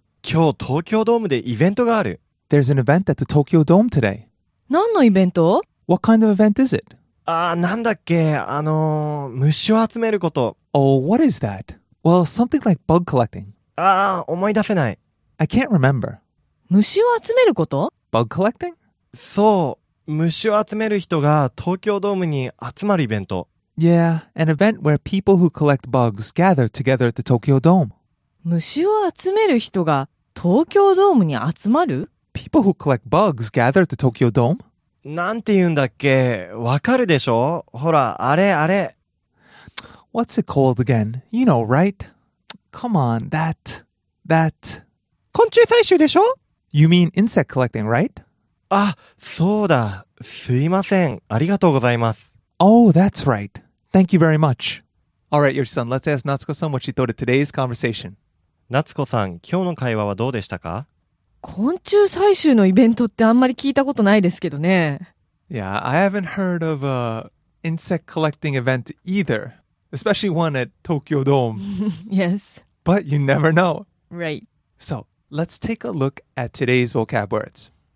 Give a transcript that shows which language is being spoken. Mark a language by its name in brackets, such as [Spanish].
[Japanese] 今日東京ドームでイベントがある。 [English] There's an event at the Tokyo Dome today. [Japanese] 何のイベント？ [English] What kind of event is it? [Japanese] ああ、なんだっけ、虫を集めること。 [English] Oh, what is that? Well, something like bug collecting. [Japanese] Ah, 思い出せない。 [English] I can't remember. [Japanese] 虫を集めること? [English] Bug collecting? [Japanese] そう、虫を集める人が東京ドームに集まるイベント。 [English] Yeah, an event where people who collect bugs gather together at the Tokyo Dome. [Japanese] 虫を集める人が東京ドームに集まる? [English] People who collect bugs gather at the Tokyo Dome? [Japanese] なんて言うんだっけ、わかるでしょ? ほら、あれあれ。 [English] What's it called again? You know, right? Come on, that. [Japanese] 昆虫採集でしょ? [English] You mean insect collecting, right? [Japanese] Ah, そうだ。すいません。ありがとうございます。 [English] Oh, that's right. Thank you very much. All right, Yoshi-san, let's ask Natsuko-san what she thought of today's conversation. [Japanese] Natsuko-san, 今日の会話はどうでしたか? 昆虫採集のイベントってあんまり聞いたことないですけどね。 [English] Yeah, I haven't heard of an insect collecting event either. Especially one at Tokyo Dome. Yes. But you never know. Right. So, let's take a look at today's vocab words.